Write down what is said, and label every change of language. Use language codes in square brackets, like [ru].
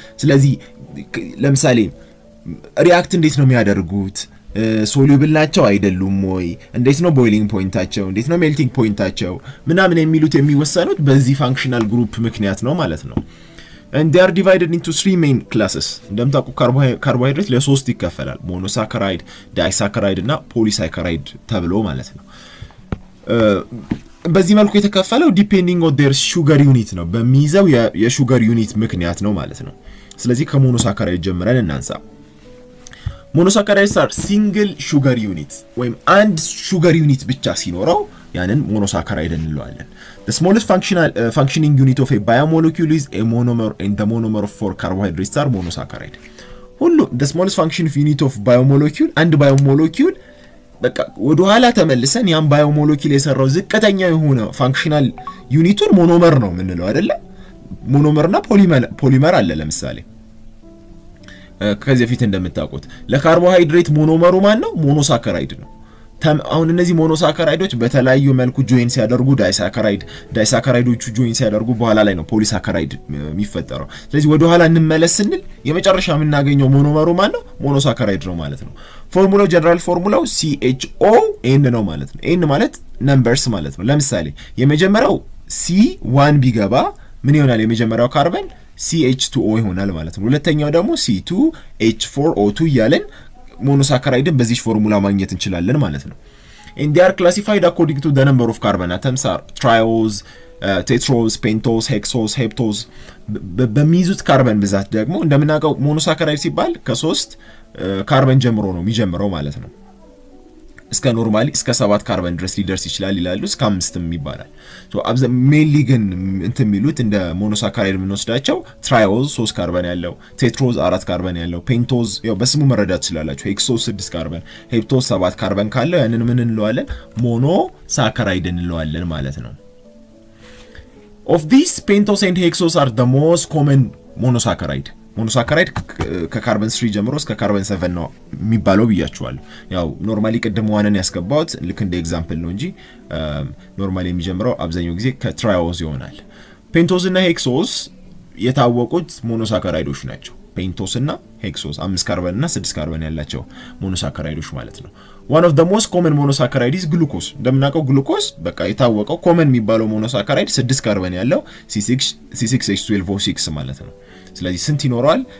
[am] ስለዚህ ለምሳሌ ሪአክት እንዴት ነው የሚያደርጉት? ሶሉብል ናቸው አይደሉም ወይ? እንዴት ነው ቦይሊንግ ፖይንታቸው? እንዴት ነው ሜልቲንግ ፖይንታቸው? ምናምን የሚሉት የሚወሰኑት በዚህ ፋንክሽናል ግሩፕ ምክንያት ነው ማለት ነው. [en] and they are divided into three main classes. [am] እንደምታውቁ ካርቦሃይድሬት ለሶስት ይከፈላል, ሞኖሳካራይድ, ዳይሳካራይድ እና ፖሊሳካራይድ ተብሎ ማለት ነው. በዚህ መልኩ የተከፈለው [en] depending on their sugar unit [am] ነው, በሚይዘው የሹገር ዩኒት ምክንያት ነው ማለት ነው. ስለዚህ ከሞኖሳካራይድ ጀምረን እናንሳ. ሞኖሳካራይድስ [en] are single sugar units [am] ወይም አንድ sugar unit ብቻ ሲኖረው ያንን ሞኖሳካራይድ እንለዋለን. [en] the smallest functioning unit of a biomolecule is a monomer and the monomer for carbohydrates are monosaccharide. [am] ሁሉ [en] the smallest functioning unit of biomolecule and biomolecule [am] በቃ ወደ ኋላ ተመልሰን ያን biomolecule የሰራው ዝቅተኛ የሆነ functional unitን monomer ነው የምንለው አይደለ? monomerና polymer አለ ለምሳሌ. ከዚህ ፊት እንደምታውቁት ለካርቦሃይድሬት monomeru ማን ነው? monosaccharide ነው. አሁን እነዚህ ሞኖሳካራይዶች በተለያዩ መልኩ ጆይን ሲያደርጉ ዳይሳካራይዶቹ ጆይን ሲያደርጉ በኋላ ላይ ነው ፖሊሳካራይድ የሚፈጠረው. ስለዚህ ወደ ኋላ እንመለስንል የመጨረሻ ምናገኘው ሞኖመሩ ማለት ነው ሞኖሳካራይድ ነው ማለት ነው. ፎርሙላው ጀነራል ፎርሙላው CHO N ነው ማለት ነው. N ማለት ነምበርስ ማለት ነው. ለምሳሌ የመጀመሪያው C1 ቢገባ ምን ይሆናል? የመጀመሪያው ካርበን CH2O ይሆናል ማለት ነው. ሁለተኛው ደግሞ C2 H4O2 ይያለን ሞኖሳካራይድን በዚህ ፎርሙላ ማግኘት እንችላለን ማለት ነው. [en] and they are classified according to the number of carbon atoms are triose, tetrose, pentose, hexose, heptose. [am] በሚይዙት ካርበን ብዛት ደግሞ እንደምናውቀው ሞኖሳካራይድ ሲባል ከሶስት ካርበን ጀምሮ ነው የሚጀምረው ማለት ነው. እስከ ኖርማሊ እስከ 7 ካርበን ድረስ ሊደርስ ይችላል ይላሉ, እስከ 5ም ይባላል. so አብዘ ሜሊ ግን እንትም ይሉት እንደ ሞኖሳካራይድ ምንወስዳቸው ትራይዮዝ 3 ካርበን ያለው, ቴትሮዝ 4 ካርበን ያለው, ፔንቶዝ ያው በስሙ መረዳት ይችላልላችሁ, ሄክሶዝ 6 ካርበን, ሄፕቶዝ 7 ካርበን ካለው ያንን ምን እንለዋለን? ሞኖሳካራይድ እንለዋለን ማለት ነው. [en] of these pentose and hexose are the most common monosaccharide. [am] ሞኖሳካራይድ ከካርበን 3 ጀምሮ እስከ ካርበን 7 ነው የሚባለው ብያችኋል። ያው ኖርማሊ ቀደም ዋንን ያስገባውት ልክ እንደ ኤግዛምፕል ነው እንጂ ኖርማሊ የሚጀምረው አብዛኛው ጊዜ ከትራይኦዝ ይሆናል። ፔንቶዝ እና ሄክሶዝ የታወቁት ሞኖሳካራይዶች ናቸው። ፔንቶስ እና ሄክሶስ 5 ካርበን እና 6 ካርበን ያላቸው ሞኖሳካራይዶች ማለት ነው። [en] one of the most common monosaccharides [am] glucose እንደምናውቀው glucose በቃ የታወቀው common የሚባለው monosaccharide 6 ካርበን ያለው C6H12O6 ማለት ነው። ስለዚህ ስንት ይኖራል?